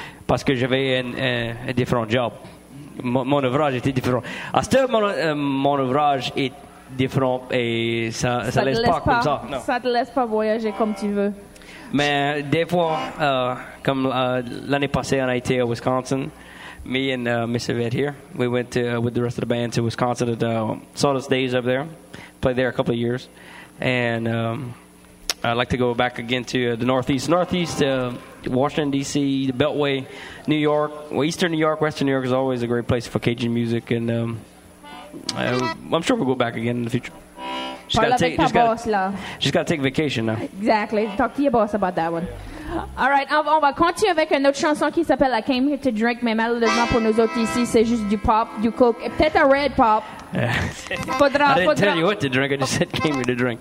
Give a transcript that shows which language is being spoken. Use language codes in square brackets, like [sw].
[fr] Parce que j'avais un différent job. Mon ouvrage était différent. À ce moment, mon ouvrage est différent et ça ne laisse pas comme ça. Non. Ça ne te laisse pas voyager comme tu veux. Mais des fois, comme l'année passée, on a été à Wisconsin. [en] Me and Mr. Vett here. We went to, with the rest of the band to Wisconsin at Solace Days up there. Played there a couple of years. And I'd like to go back again to the Northeast. Northeast... Washington, D.C., the Beltway, New York, well, Eastern New York, Western New York is always a great place for Cajun music, and I'm sure we'll go back again in the future. Just got to take vacation now. Exactly. Talk to your boss about that one. [fr] All right, on va continuer avec une autre chanson qui s'appelle I Came Here to Drink, mais malheureusement pour nous autres ici, c'est juste du pop, du coke, et peut-être un red pop. [en] I didn't tell you what to drink, I just said came here to drink.